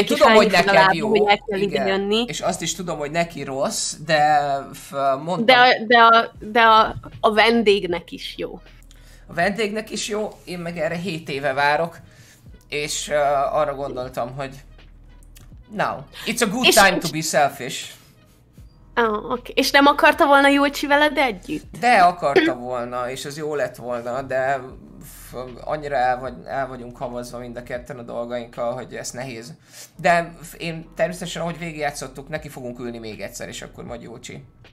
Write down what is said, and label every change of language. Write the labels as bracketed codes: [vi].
[hu] neki felhívja a lábam, jó, hogy el kell ide jönni. És azt is tudom, hogy neki rossz, de mondtam... De a vendégnek is jó. A vendégnek is jó, én meg erre 7 éve várok, és arra gondoltam, hogy... [en] Now, it's a good time to be selfish. Okay. [hu] És nem akarta volna Júlcsi veled együtt? De akarta volna, és az jó lett volna, de annyira el vagyunk havazva mind a ketten a dolgainkkal, hogy ez nehéz. De én természetesen, ahogy végigjátszottuk, neki fogunk ülni még egyszer, és akkor majd Júlcsi.